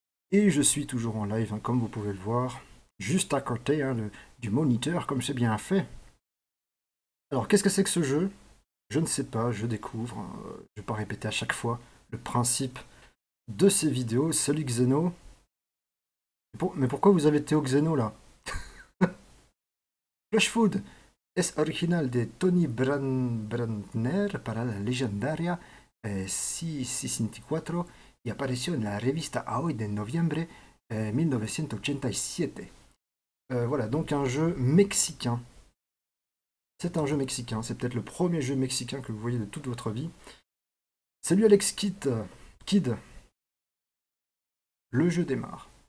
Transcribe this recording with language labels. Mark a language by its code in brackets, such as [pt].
[fr] Et je suis toujours en live, hein, comme vous pouvez le voir, juste à côté, hein, du moniteur, comme c'est bien fait. Alors, qu'est-ce que c'est que ce jeu? Je ne sais pas, je découvre. Je ne vais pas répéter à chaque fois le principe de ces vidéos. Salut Xeno. Mais pourquoi vous avez été au Xeno là? [es] Flash Food es original de Tony Brandner para la legendaria 664 y apareció en la revista AOI de noviembre 1987. [fr] Voilà donc un jeu mexicain. C'est un jeu mexicain, c'est peut-être le premier jeu mexicain que vous voyez de toute votre vie. Salut Alex Kid. Le jeu démarre.